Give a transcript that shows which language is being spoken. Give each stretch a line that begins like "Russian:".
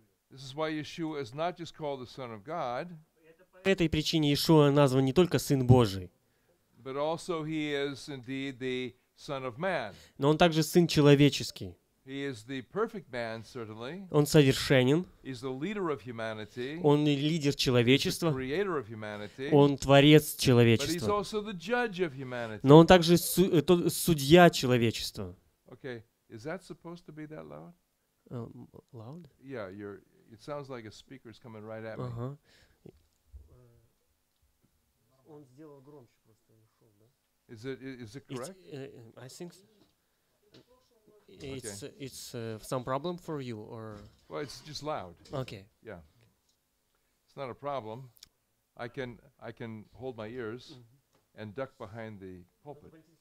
English: This is why Yeshua is not just called the Son of God.
Russian: По этой причине Иешуа назван не только Сын Божий,
English: but also he is indeed the Son of Man.
Russian: Но он также Сын Человеческий.
English: He is the perfect man, certainly.
Russian: Он совершенен.
English: He's the leader of humanity.
Russian: Он лидер человечества.
English: He's the creator of humanity.
Russian: Он творец человечества.
English: But he's also the judge of humanity.
Russian: Но он также судья человечества.
English: Okay. Is that supposed to be that loud? Loud? Yeah, it sounds like a speaker's coming right at me. Uh-huh.
Russian: Он сделал громче просто, не шел, да?
English: Is it correct? I think so. It's some problem for you, or? Well, it's just loud. Okay. Yeah. It's not a problem. I can hold my ears and duck behind the pulpit.